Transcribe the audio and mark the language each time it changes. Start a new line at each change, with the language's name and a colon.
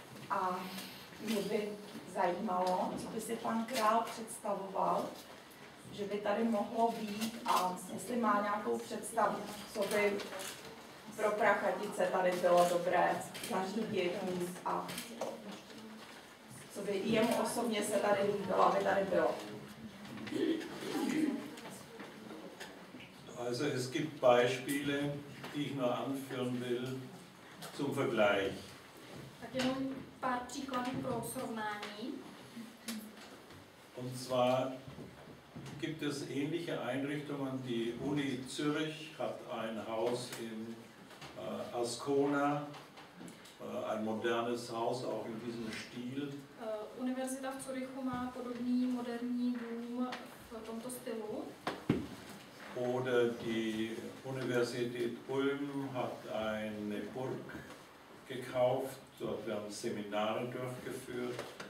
Czech: A mě by zajímalo, co by si pan Král představoval, že by tady mohlo být a jestli má nějakou představu, co by pro Prachatice tady bylo dobré zařídit míst a co by jemu osobně se tady líbilo, aby tady bylo.
German: Also es gibt Beispiele, die ich nur anführen will zum Vergleich.
Czech: Tak jenom pár příkladů pro srovnání.
German: Und zwar gibt es ähnliche Einrichtungen, die Uni Zürich hat ein Haus in Ascona, ein modernes Haus auch in diesem Stil.
Czech: Univerzita v Zürichu má podobný moderní dům v tomto stylu.
German: Oder die Universität Ulm hat eine Burg gekauft, dort werden Seminare durchgeführt.